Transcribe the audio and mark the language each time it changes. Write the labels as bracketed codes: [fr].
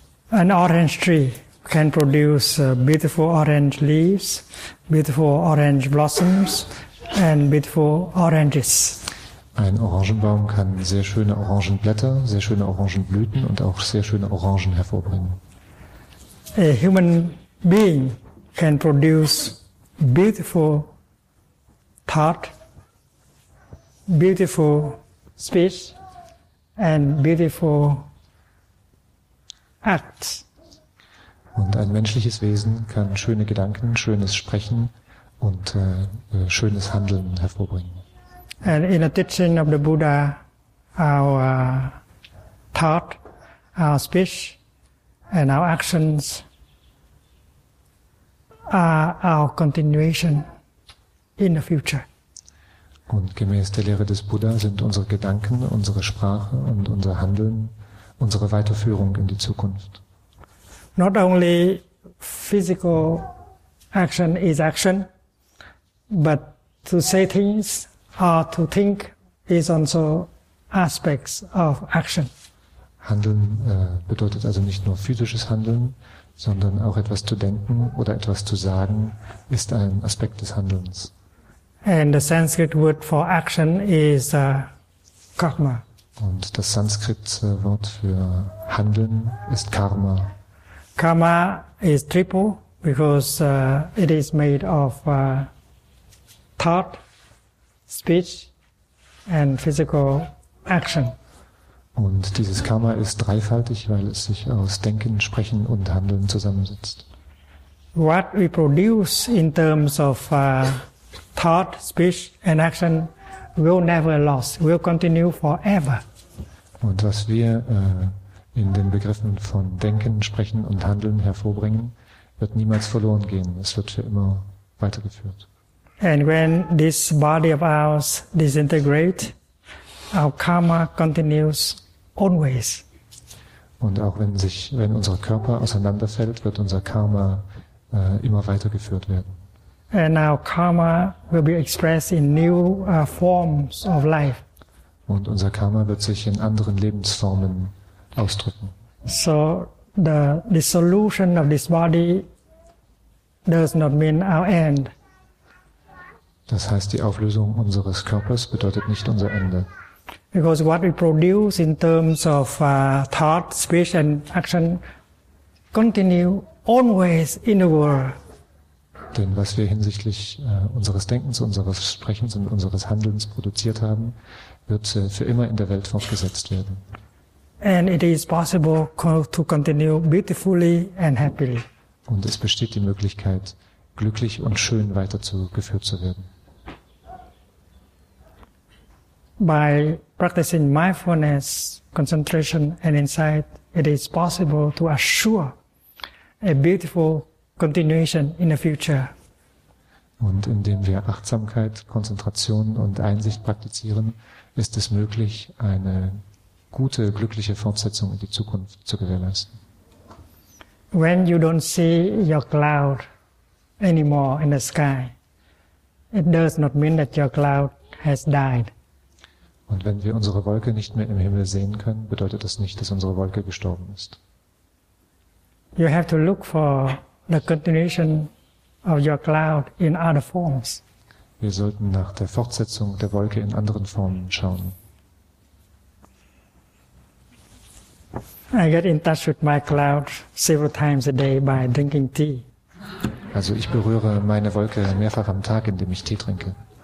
[en] An orange tree can produce beautiful orange leaves, beautiful orange blossoms, and beautiful oranges. [de] Ein Orangenbaum kann sehr schöne Orangenblätter, sehr schöne Orangenblüten und auch sehr schöne Orangen hervorbringen. [en] A human being can produce beautiful thought, beautiful speech, and beautiful acts. [de] Und ein menschliches Wesen kann schöne Gedanken, schönes Sprechen und schönes Handeln hervorbringen. [en] And in the teaching of the Buddha, our thought, our speech, and our actions are our continuation in the future. [de] Und gemäß der Lehre des Buddha sind unsere Gedanken, unsere Sprache und unser Handeln unsere Weiterführung in die Zukunft. [en] Not only physical action is action, but to say things or to think is also aspects of action. [de] Handeln bedeutet also nicht nur physisches Handeln, sondern auch etwas zu denken oder etwas zu sagen ist ein Aspekt des Handelns. [en] And the Sanskrit word for action is karma. [de] Und das Sanskrit-Wort für Handeln ist Karma. [en] Karma is triple because it is made of thought, speech and physical action. [de] Und dieses Karma ist dreifaltig, weil es sich aus Denken, Sprechen und Handeln zusammensetzt. [en] What we produce in terms of thought, speech and action will never last, will continue forever. [de] Und was wir in den Begriffen von Denken, Sprechen und Handeln hervorbringen, wird niemals verloren gehen. Es wird für immer weitergeführt. [en] And when this body of ours disintegrates, our karma continues always. [de] Und auch wenn unser Körper auseinanderfällt, wird unser Karma immer weitergeführt werden. [en] And our karma will be expressed in new forms of life. [de] Und unser Karma wird sich in anderen Lebensformen ausdrücken. [en] So the dissolution of this body does not mean our end. [de] Das heißt, die Auflösung unseres Körpers bedeutet nicht unser Ende. [en] Because what we produce in terms of thought, speech and action continue always in the world. [de] Denn was wir hinsichtlich unseres Denkens, unseres Sprechens und unseres Handelns produziert haben, wird für immer in der Welt fortgesetzt werden. [en] And it is possible to continue beautifully and happily. [de] Und es besteht die Möglichkeit, glücklich und schön weitergeführt zu werden. [en] By practicing mindfulness, concentration and insight, it is possible to assure a beautiful continuation in the future. [de] Und indem wir Achtsamkeit, Konzentration und Einsicht praktizieren, ist es möglich, eine gute, glückliche Fortsetzung in die Zukunft zu gewährleisten. [en] When you don't see your cloud anymore in the sky, it does not mean that your cloud has died. [de] Und wenn wir unsere Wolke nicht mehr im Himmel sehen können, bedeutet das nicht, dass unsere Wolke gestorben ist. [en] You have to look for the continuation of your cloud in other forms. [de] Wir sollten nach der Fortsetzung der Wolke in anderen Formen schauen. [en] I get in touch with my cloud several times a day by drinking tea. [de] Also ich berühre meine Wolke mehrfach am Tag, indem ich Tee trinke.